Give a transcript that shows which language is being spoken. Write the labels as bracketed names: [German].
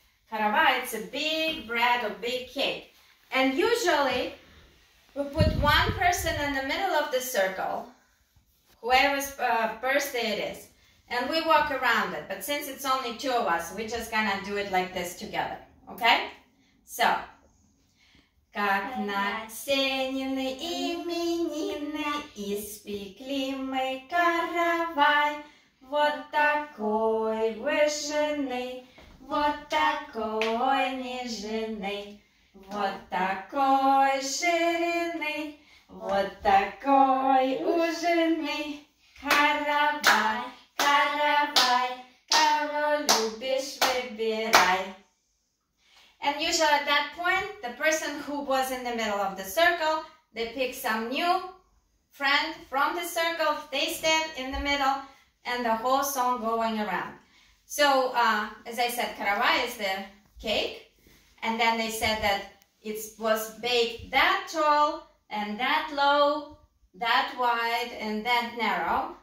[English] Karavai, it's a big bread or big cake. And usually we put one person in the middle of the circle, whoever's birthday it is, and we walk around it. But since it's only two of us, we're just gonna do it like this together, okay? So. [Russian] Как на Ксенины именины испекли мы каравай, вот такой вышенный, вот такой нежный, вот такой ширины, вот такой ужинный. Каравай, каравай, кого любишь, выбирай. [English] And usually at that point, the person who was in the middle of the circle, they pick some new friend from the circle, they stand in the middle, and the whole song going around. So, as I said, Karavai is the cake, and then they said that it was baked that tall, and that low, that wide, and that narrow.